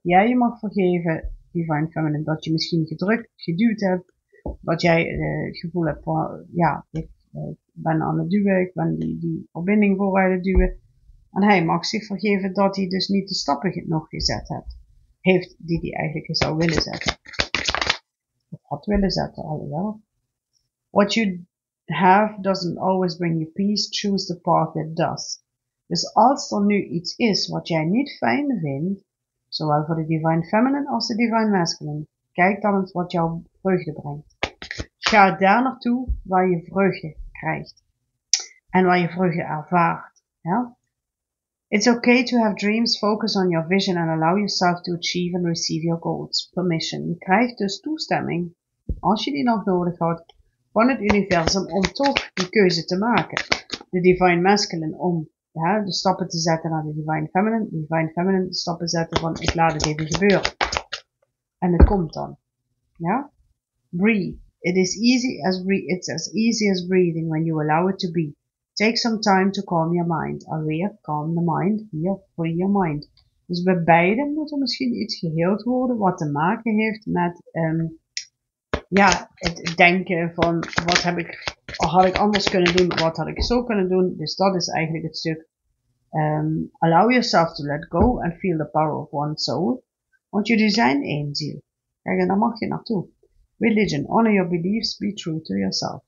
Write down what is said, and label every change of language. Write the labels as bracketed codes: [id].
[nl] Dat jij je mag vergeven, Divine Feminine. Dat je misschien gedrukt, geduwd hebt. Dat jij het gevoel hebt van, ja, ik ben aan het duwen. Ik ben die verbinding vooruit het duwen. En hij mag zich vergeven dat hij dus niet de stappen nog gezet hebt. Heeft die die eigenlijk zou willen zetten. Of had willen zetten, alhoewel. [en] What you have doesn't always bring you peace. Choose the path that does. [nl] Dus als er nu iets is wat jij niet fijn vindt, zowel voor de Divine Feminine als de Divine Masculine, kijk dan eens wat jouw vreugde brengt. Ga daar naartoe waar je vreugde krijgt. En waar je vreugde ervaart. Ja? [en] It's okay to have dreams, focus on your vision and allow yourself to achieve and receive your goals. Permission. [nl] Je krijgt dus toestemming, als je die nog nodig had, van het universum om toch die keuze te maken. De Divine Masculine om ja, de stappen te zetten naar de Divine Feminine. De Divine Feminine de stappen zetten van ik laat het even gebeuren. En het komt dan. Ja? [en] Breathe. It's as easy as breathing when you allow it to be. Take some time to calm your mind. Alweer, calm the mind. Here, free your mind. [nl] Dus bij beiden moet er misschien iets geheeld worden wat te maken heeft met ja, het denken van wat heb ik, had ik anders kunnen doen, wat had ik zo kunnen doen. Dus dat is eigenlijk het stuk. [en] Allow yourself to let go and feel the power of one soul. [nl] Want jullie zijn één ziel. Kijk, en daar mag je naartoe. [en] Religion, honor your beliefs, be true to yourself.